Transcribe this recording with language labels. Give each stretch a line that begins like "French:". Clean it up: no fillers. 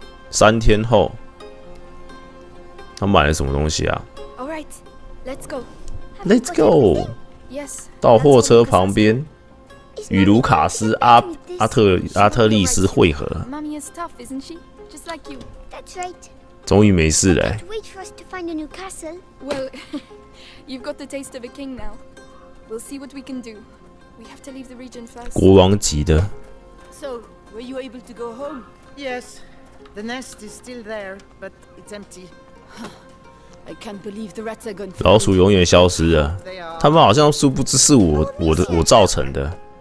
Chinese: 三天后。他买了什么东西啊
English: ？Alright, let's go. Let's go. Yes.
Chinese: 到货车旁边，与卢卡斯阿特利斯汇合。
English: Mummy is tough, isn't she? Just like you. That's right.
Chinese: 终于没事了。
English: Can't wait for us to find a new castle. Well, you've got the taste of a king now. We'll see what we can do. We have to leave the region first.
Chinese: 国王级的。
English: So, were you able to go home? Yes. The nest is still there, but it's empty. I can't believe the rats are gone.
Chinese: 老鼠永远消失了。他们好像殊不知是我造成的。